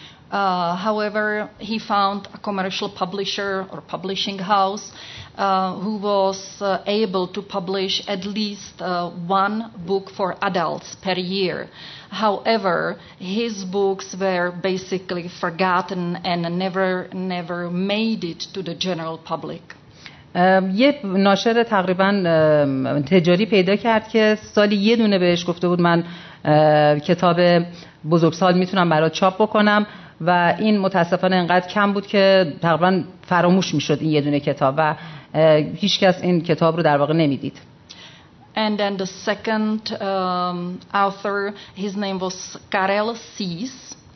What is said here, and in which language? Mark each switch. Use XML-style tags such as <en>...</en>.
<en>However, he found a commercial publisher or publishing house who was able to publish at least one book for adults per year. However, his books were basically forgotten and never made it to the general public.</en> <fa>یه ناشر تقریبا تجاری پیدا کرد که سالی یه دونه بهش گفته بود من کتاب بزرگسال میتونم برای چاپ بکنم و این متاسفانه اینقدر کم بود که تقریبا فراموش میشد این یه دونه کتاب و هیچ کس این کتاب رو در واقع نمیدید.</fa> <en>And then the second author, his name was Karel Sýs.</en>